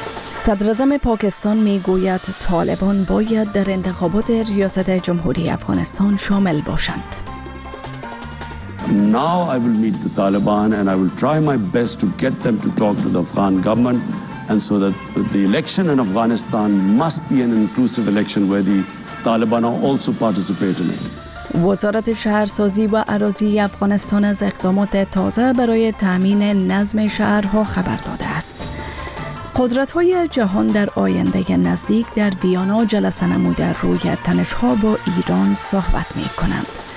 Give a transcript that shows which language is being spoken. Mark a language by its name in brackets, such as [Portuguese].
[Persian] صدر اعظم پاکستان می گوید طالبان باید در انتخابات ریاست جمهوری افغانستان شامل باشند. [English] Now I will meet the Taliban and I will try my best to get them to talk to the Afghan government and so that the election in Afghanistan must be an inclusive election where the Taliban also participate in it. [Persian] وزارت شهرسازی و اراضی افغانستان از اقدامات تازه برای تامین نظم شهرها خبر داده است. قدرت‌های جهان در آینده نزدیک در ویانا جلسه نموده روی تنش‌ها با ایران صحبت می‌کنند.